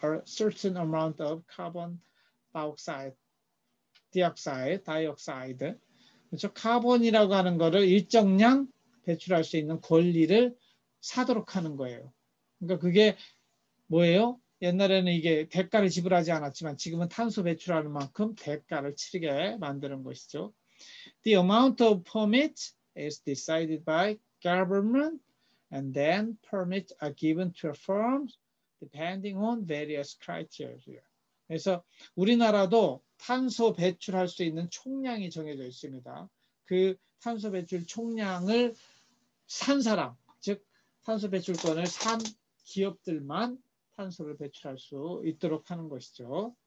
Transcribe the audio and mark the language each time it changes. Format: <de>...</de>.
<en>A certain amount of carbon dioxide.</en> <ko>그렇죠? 카본이라고 하는 거를 일정량 배출할 수 있는 권리를 사도록 하는 거예요. 그러니까 그게 뭐예요? 옛날에는 이게 대가를 지불하지 않았지만 지금은 탄소 배출하는 만큼 대가를 치르게 만드는 것이죠.</ko> <en>The amount of permit is decided by government and then permits are given to firms depending on various criteria.</en> <ko>그래서 우리나라도 탄소 배출할 수 있는 총량이 정해져 있습니다. 그 탄소 배출 총량을 산 사람, 즉 탄소 배출권을 산 기업들만 탄소를 배출할 수 있도록 하는 것이죠.</ko>